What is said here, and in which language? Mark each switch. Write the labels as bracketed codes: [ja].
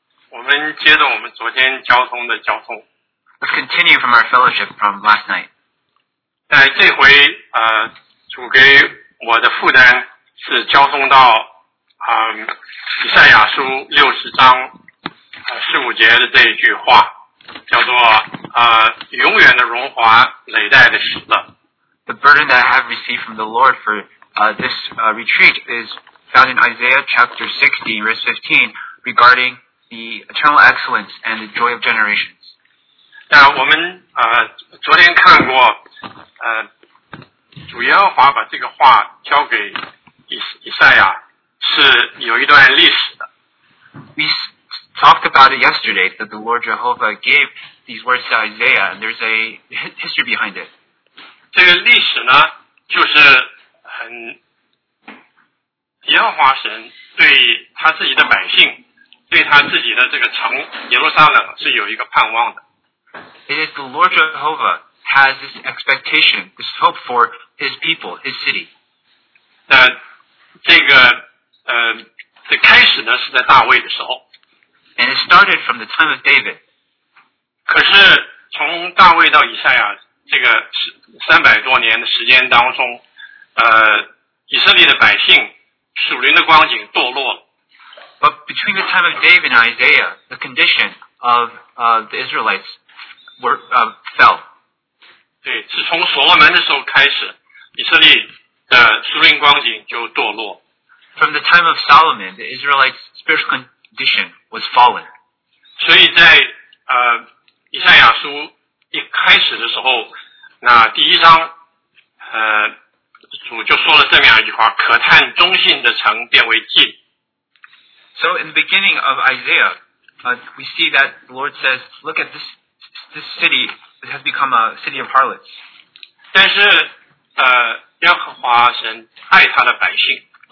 [zh] 我们接着我们昨天交通的交通。 [en] Let's continue from our fellowship from last night. [zh] 在这回主给我的负担是交通到以赛亚书六十章十五节的这一句话，叫做永远的荣华，累代的喜乐。 [en] The burden that I have received from the Lord for this retreat is found in Isaiah chapter 60, verse 15, regarding the eternal excellence and the joy of generations. [zh] 那我们昨天看过主耶和华把这个话交给以赛亚是有一段历史的。 [en] We talked about it yesterday that the Lord Jehovah gave these words to Isaiah, and there's a history behind it. [zh] 这个历史呢，就是很耶和华神对他自己的百姓，对他自己的这个城耶路撒冷是有一个盼望的。 [en] It is the Lord Jehovah has this expectation, this hope for His people, His city. [zh] 那这个这开始呢是在大卫的时候。 [en] And it started from the time of David. [zh] 可是从大卫到以赛亚这个三百多年的时间当中，以色列的百姓属灵的光景堕落了。 [en] But between the time of David and Isaiah, the condition of the Israelites were fell. [zh] 对，是从所罗门的时候开始，以色列的属灵光景就堕落。 [en] From the time of Solomon, the Israelites' spiritual condition was fallen. [zh] 所以在以赛亚书一开始的时候，那第一章主就说了这么样一句话：可叹忠信的城变为祭。 [en] So in the beginning of Isaiah, we see that the Lord says, look at this city, it has become a city of harlots. [zh] 但是耶和华神爱他的百姓。